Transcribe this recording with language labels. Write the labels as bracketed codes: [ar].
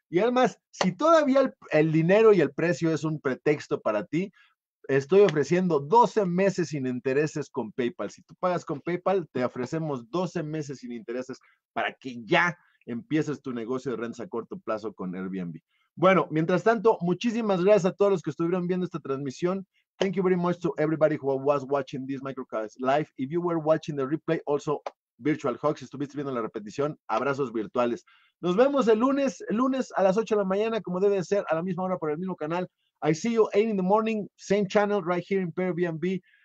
[es] Y además, si todavía el dinero y el precio es un pretexto para ti, estoy ofreciendo 12 meses sin intereses con PayPal. Si tú pagas con PayPal, te ofrecemos 12 meses sin intereses para que ya empieces tu negocio de rentas a corto plazo con Airbnb. Bueno, mientras tanto, muchísimas gracias a todos los que estuvieron viendo esta transmisión. [en] Thank you very much to everybody who was watching this microcast live. If you were watching the replay, also virtual hugs, [es] si estuviste viendo la repetición, abrazos virtuales. Nos vemos el lunes a las 8 de la mañana, como debe de ser, a la misma hora por el mismo canal. [en] I see you 8 in the morning, same channel, right here in Airbnb.